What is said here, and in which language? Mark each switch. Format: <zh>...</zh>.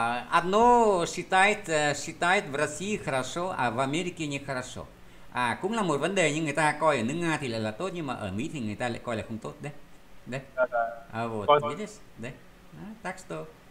<ru>Одно считает в России хорошо, а в Америке не хорошо.</ru> <vi>Cũng là một vấn đề, nhưng người ta coi ở nước Nga thì lại là tốt, nhưng mà ở Mỹ thì người ta lại coi là không tốt đấy. Đấy. Да.</vi> <ru>Вот, видишь? Đấy. Так что</ru>